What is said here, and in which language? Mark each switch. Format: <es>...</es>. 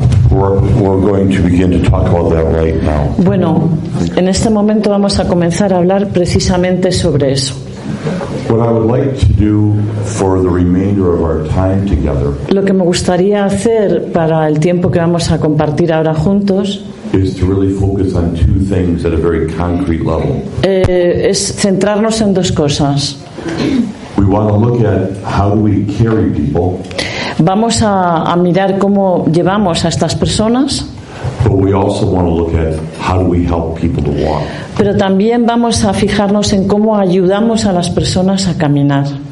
<en>We're going to begin to talk about that right now.</en> <es>Bueno, en este momento vamos a comenzar a hablar precisamente sobre eso.</es> <en>What I would like to do for the remainder of our time together.</en> <es>Lo que me gustaría hacer para el tiempo que vamos a compartir ahora juntos</es> <en>is to really focus on two things at a very concrete level.</en> <es>Es centrarnos en dos cosas.</es> <en>We want to look at how do we carry people.</en> <es>Vamos a mirar cómo llevamos a estas personas.</es> <en>But we also want to look at how do we help people to walk.</en> <es>Pero también vamos a fijarnos en cómo ayudamos a las personas a caminar.</es>